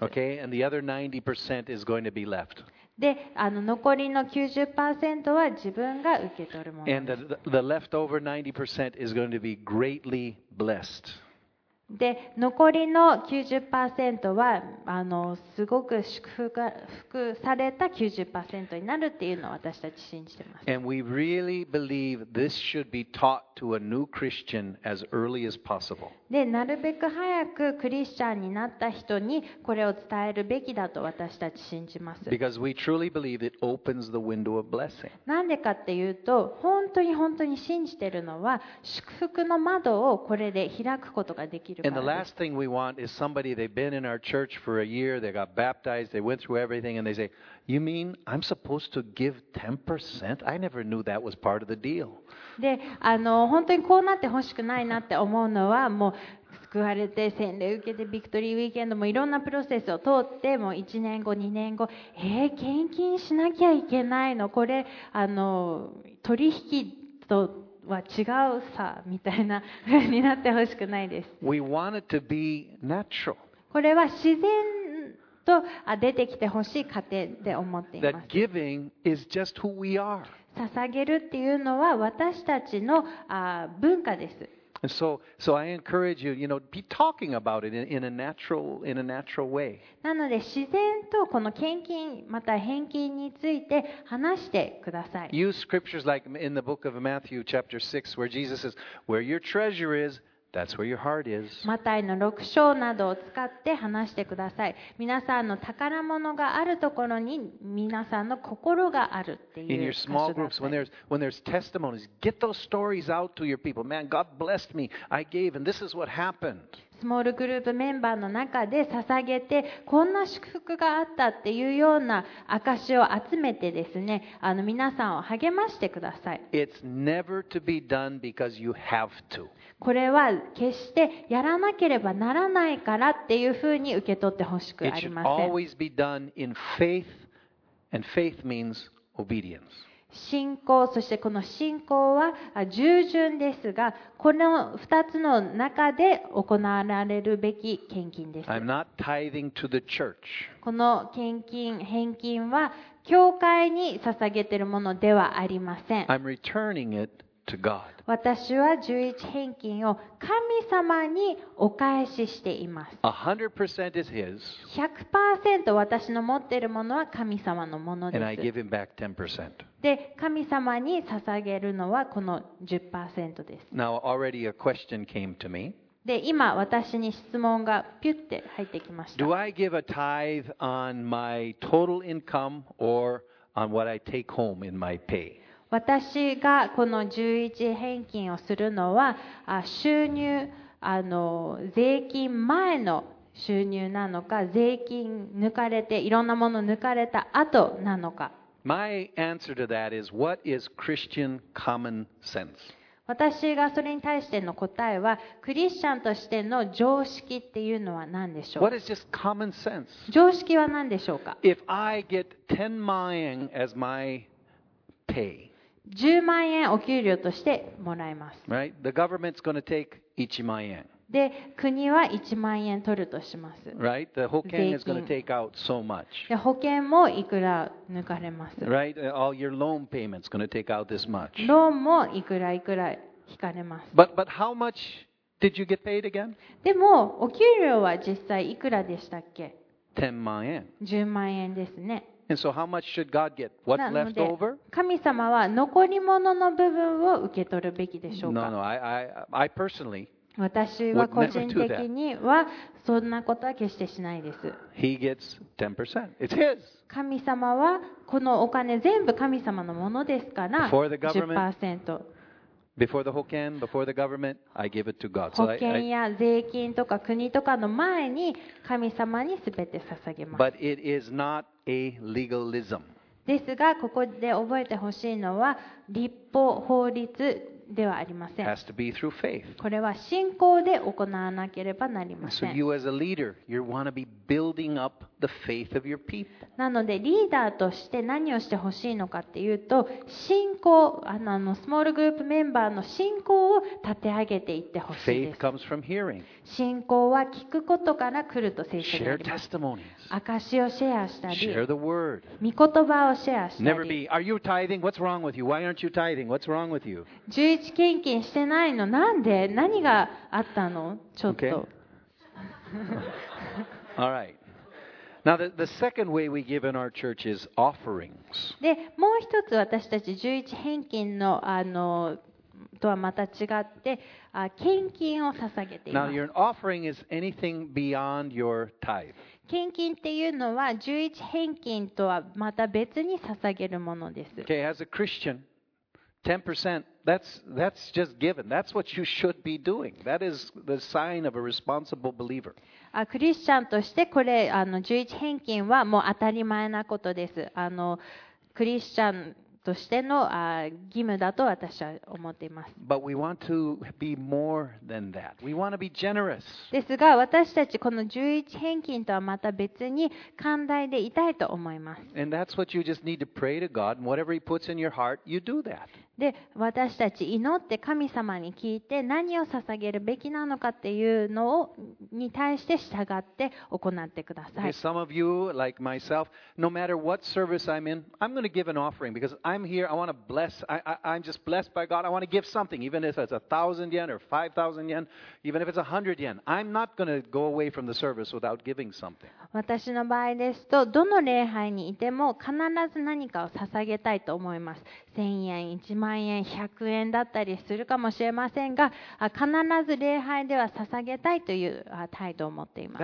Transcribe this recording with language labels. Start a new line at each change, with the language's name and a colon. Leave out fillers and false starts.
English: Okay, and the other 90% is going to be left.
Japanese: で、残りの 90% は自分が受け取るものです。
English: And the leftover 90% is going to be greatly blessed.
Japanese: で残りの 90% はすごく祝福された 90% になるっていうのを私たち信じてます。
English: And we really believe this should be taught to a new Christian as early as possible.
Japanese: でなるべく早くクリスチャンになった人にこれを伝えるべきだと私たち信じます。
English: Because we truly believe it opens the window of blessing.
Japanese: なんでかっていうと本当に本当に信じてるのは祝福の窓をこれで開くことができる。
English: And the last thing we want is somebody they've been in our church for a year, they got baptized, they went through everything, and they say, "You mean I'm supposed to give 10%? I never knew that was part of the deal."
Japanese: で、本当にこうなってほしくないなって思うのは、もう救われて洗礼受けてビクトリーウィーケンドもいろんなプロセスを通って、もう1年後2年後、献金しなきゃいけないの、これ取引と。は違うさみたいな風になってほしくないです。
English: We want it to be natural.
Japanese: これは自然と出てきてほしい過程で思っています。
English: That giving is just who we are.
Japanese: 捧げるっていうのは私たちの文化です。
English: And so I encourage you, you know, be talking about it in a natural way.
Japanese: なので自然とこの献金また返金について話してください。
English: Use scriptures like in the book of Matthew chapter 6 where Jesus says, where your treasure is, that's where your heart is.
Japanese: マタイの6章などを使って話してください。皆さんの宝物があるところに皆さんの心があるっていう。
English: In your small groups, when there's testimonies, get those stories out to your people. Man, God blessed me. I gave, and this is what happened.
Japanese: スモールグループメンバーの中で捧げてこんな祝福があったっていうような証を集めてですね、皆さんを励ましてください。
English: It's never to be done because you have to.
Japanese: これは決してやらなければならないからっていうふうに受け取ってほしくありません。
English: It should always be done in faith, and faith means obedience.
Japanese: 信仰、そしてこの信仰は従順ですが、この2つの中で行われるべき献金です。
English: I'm not tithing to the church.
Japanese: この献金、返金は教会に捧げているものではありません。
English: I'm returning it to God.
Japanese: 私は十一献金を神様にお返ししています。
English: 100% is his.
Japanese: 100% 私の持っているものは神様のものです。
English: And I give him back 10%.
Japanese: で神様に捧げるのはこの 10% です。
English: Now, already a question came to me.
Japanese: で今私に質問がピュッて入ってきました。
English: Do I give a tithe on my total income or on what I take home in my pay?
Japanese: 私がこの11返金をするのは収入税金前の収入なのか税金抜かれていろんなもの抜かれた後なのか
English: My answer to that is, what is Christian common sense?
Japanese: 私がそれに対しての答えはクリスチャンとしての常識っていうのは何でしょう
English: What is just common sense?
Japanese: 常識は何でしょうか
English: If I get 10 万円 as my pay
Japanese: 10万円お給料としてもらいます
English: Right? The government's going to take 1万円
Japanese: で国は1万円取るとします。
English: Right? The 保険 is going to take out so much.
Japanese: で保険もいくら抜かれます。
English: Right? All your loan payments going to take out this much.
Japanese: ローンもいくらいくら引かれます。
English: But how much did you get paid again?
Japanese: でもお給料は実際いくらでしたっけ？10万円。 10万円ですね。
English: And so how much should God get? What's left over?
Japanese: 神様は残り物の部分を受け取るべきでしょうか
English: ？No, I personally
Japanese: 私は個人的にはそんなことは決してしないです。
English: He gets 10%. It's his.
Japanese: 神様はこのお金全部神様のものですから 10%。
English: Before the 保険、before the government, I give it to God.
Japanese: 保険や税金とか国とかの前に神様にすべて捧げます。
English: But it is not a legalism.
Japanese: ですがここで覚えてほしいのは立法法律。ではありません。これは信仰で行わなければなりません。
English: So you as a leader, you want to be building up the faith of your people.
Japanese: なのでリーダーとして何をしてほしいのかっていうと、信仰、スモールグループメンバーの信仰を立て上げていってほしいです。
English: Faith comes from hearing.
Japanese: 信仰は聞くことから来ると聖書であります。
English: Share testimonies.
Japanese: 証しをシェアしたり、
English: Share the word.
Japanese: 御言葉をシェアしたり。
English: Never be. Are you tithing? What's wrong with you? Why aren't you tithing? What's wrong with you?
Japanese: 11献金してないのなんで何があったのちょっと。
English: Okay. All right. Now the second way we give in our church is offerings.
Japanese: でもう一つ私たち11返金のとはまた違って献金を捧げています。
English: Now your offering is anything beyond your tithe.
Japanese: 献金っていうのは11返金とはまた別に捧げるものです。
English: Okay, as a Christian. 10%, that's just given. That's what you should be doing. That is the sign of a responsible believer.
Japanese: クリスチャンとしてこれ11返金はもう当たり前なことです。クリスチャンとしての義務だと私は思っています。
English: But we want to be more than that. We want to be generous.
Japanese: ですが私たちこの11返金とはまた別に寛大でいたいと思います。
English: And that's what you just need to pray to God. And whatever He puts in your heart, you do that.
Japanese: で私たち祈って神様に聞いて何を捧げるべきなのかっていうのをに対して従って行ってください。
English: Some of you, like myself, no matter what service I'm in, I'm going to give an offering because I'm here. I want to bless. I'm just blessed by God. I want to give something, even if it's 1,000 yen or 5,000 yen, even if it's 100 yen. I'm not going to go away from the service without giving something.
Japanese: 私の場合ですと、どの礼拝にいても必ず何かを捧げたいと思います。 1000円、1万円、100円だったりするかもしれませんが、必ず礼拝では捧げたいという態度を持っています。